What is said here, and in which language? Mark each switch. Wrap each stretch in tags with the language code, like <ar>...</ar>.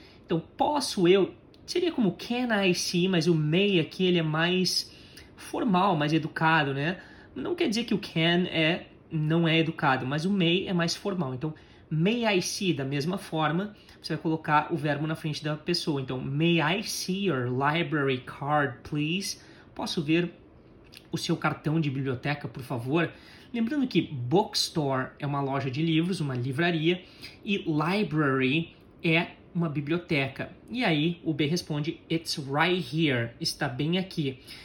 <pt>Então, posso eu, seria como</pt> <en>can I see,</en> <pt>mas o may aqui ele é mais formal, mais educado, né? Não quer dizer que o can é, não é educado, mas o may é mais formal. Então,</pt> <en>may I see,</en> <pt>da mesma forma, você vai colocar o verbo na frente da pessoa. Então,</pt> <en>may I see your library card, please?</en> <pt>Posso ver o seu cartão de biblioteca, por favor? Lembrando que bookstore é uma loja de livros, uma livraria, e library é uma biblioteca. E aí, o B responde,</pt> <en>it's right here,</en> <pt>está bem aqui.</pt>